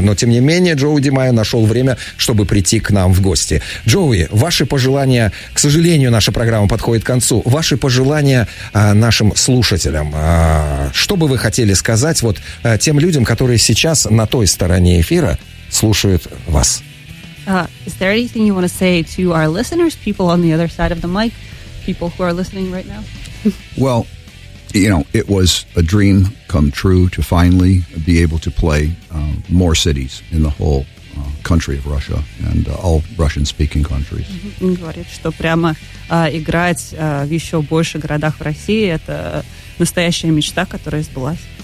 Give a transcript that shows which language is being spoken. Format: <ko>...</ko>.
<ru>Но тем не менее, Джоуи Ди Майо нашел время, чтобы прийти к нам в гости. Джоуи, ваши пожелания, к сожалению, наша программа подходит к концу. Ваши пожелания нашим слушателям. Что бы вы хотели сказать вот тем людям, которые сейчас на той стороне эфира слушают вас?</ru> <en>Is there anything you want to say to our listeners, people on the other side of the mic, people who are listening right now? Well, you know, it was a dream come true to finally be able to play more cities in the whole country of Russia and all Russian-speaking countries.</en> <ru>Говорит, что прямо играть в еще больше городах в России — это настоящая мечта, которая сбылась.</ru>